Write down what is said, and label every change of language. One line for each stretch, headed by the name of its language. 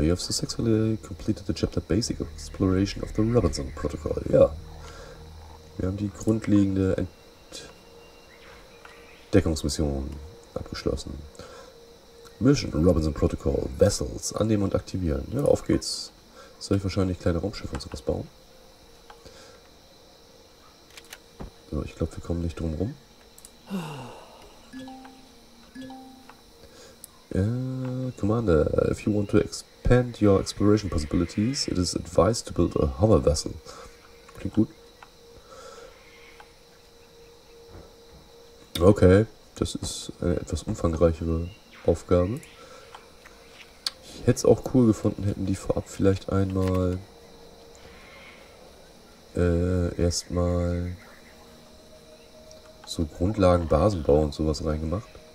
English: You have successfully completed the chapter Basic Exploration of the Robinson Protocol.
German: Ja. Wir haben die grundlegende Entdeckungsmission abgeschlossen. Mission Robinson Protocol. Vessels. Annehmen und aktivieren. Ja, auf geht's. Soll ich wahrscheinlich kleine Raumschiffe und sowas bauen? So, ich glaube, wir kommen nicht drum rum.
English: Commander, if you want to expand your exploration possibilities, it is advised to build a hover vessel.
German: Klingt gut. Okay, das ist eine etwas umfangreichere Aufgabe. Ich hätte es auch cool gefunden, hätten die vorab vielleicht einmal erstmal so Grundlagen, Basenbau und sowas reingemacht.